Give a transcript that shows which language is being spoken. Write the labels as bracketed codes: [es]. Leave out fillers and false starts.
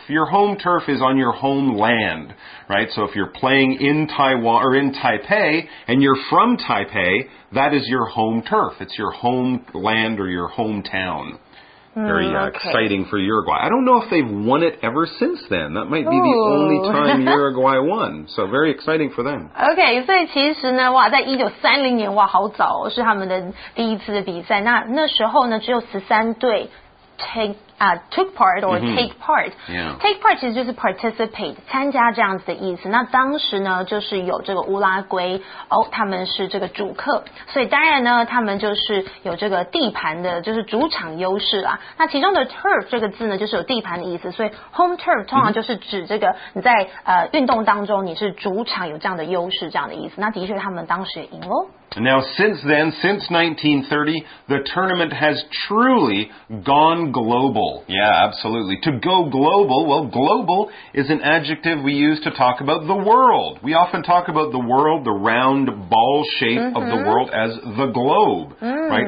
[en] Your home turf is on your home land, right? So if you're playing in Taiwan or in Taipei and you're from Taipei, that is your home turf. It's your home land or your hometown. Very exciting for Uruguay. I don't know if they've won it ever since then. That might be the only time Uruguay won. So very exciting for them. [zh] Okay, 所以其实呢，哇，在1930年，哇，好早，是他们的第一次的比赛。那那时候呢，只有13队 [en] took part or take part. Yeah. [zh] Take part 其实就是 participate, 参加这样子的意思。那当时呢，就是有这个乌拉圭，哦，他们是这个主客，所以当然呢，他们就是有这个地盘的，就是主场优势啦。那其中的 turf 这个字呢，就是有地盘的意思，所以 home turf 通常就是指这个你在运动当中你是主场有这样的优势这样的意思。那的确他们当时也赢咯。 [en] Now, since then, since 1930, the tournament has truly gone global. Yeah, absolutely. To go global, well, global is an adjective we use to talk about the world. We often talk about the world, the round ball shape of the world as the globe, right?